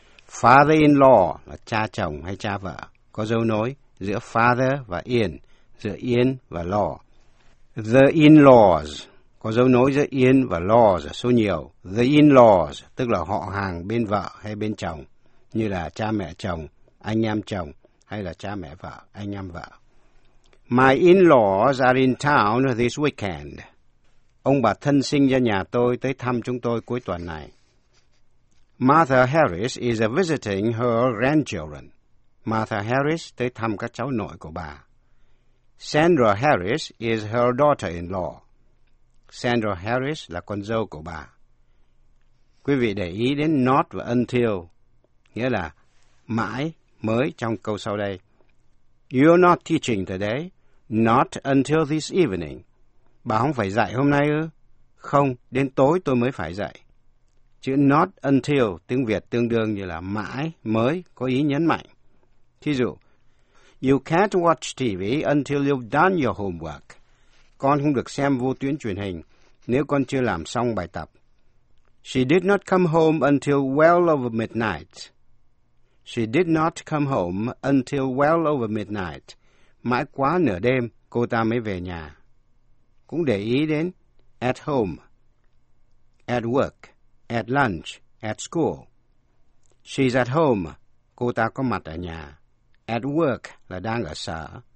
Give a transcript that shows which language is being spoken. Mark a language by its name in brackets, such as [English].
[Vietnamese] Father-in-law là cha chồng hay cha vợ, có dấu nối giữa father và in, giữa in và law. [English] The in-laws, [Vietnamese] có dấu nối giữa in và laws, số nhiều. [English] The in-laws, [Vietnamese] tức là họ hàng bên vợ hay bên chồng, như là cha mẹ chồng, anh em chồng, hay là cha mẹ vợ, anh em vợ. [English] My in-laws are in town this weekend. [Vietnamese] Ông bà thân sinh ra nhà tôi tới thăm chúng tôi cuối tuần này. [English] Martha Harris is visiting her grandchildren. [Vietnamese] Martha Harris tới thăm các cháu nội của bà. [English] Sandra Harris is her daughter-in-law. [Vietnamese] Sandra Harris là con dâu của bà. Quý vị để ý đến not và until, nghĩa là mãi, mới trong câu sau đây. [English] You're not teaching today, not until this evening. [Vietnamese] Bà không phải dạy hôm nay ư? Không, đến tối tôi mới phải dạy. Chữ not until tiếng Việt tương đương như là mãi, mới, có ý nhấn mạnh. Thí dụ, [English] you can't watch TV until you've done your homework. [Vietnamese] Con không được xem vô tuyến truyền hình nếu con chưa làm xong bài tập. [English] She did not come home until well over midnight. She did not come home until well over midnight. [Vietnamese] Mãi quá nửa đêm, cô ta mới về nhà. Cũng để ý đến at home, at work, at lunch, at school. [English] She's at home. [Vietnamese] Cô ta có mặt ở nhà. At work là đang ở sở.